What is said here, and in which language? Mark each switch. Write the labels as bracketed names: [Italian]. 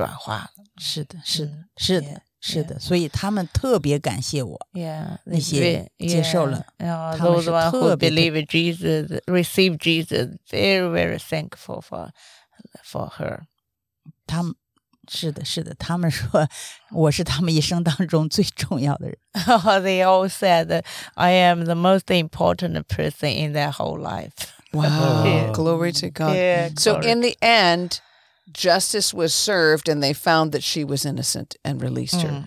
[Chinese] 如果你没有被错误的控告，这些人可能没有机会听到福音，所以神可以如何把这个环境转化。是的，是的，是的。是的，所以他们特别感谢我，那些接受了。 [English] Those who believe in Jesus, receive Jesus, very, very thankful for her. [Chinese] 他们说我是他们一生当中最重要的人。 [English] They all said, I am the most important person in their whole life. Wow, glory to God. So in the end, justice was served, and they found that she was innocent and released her.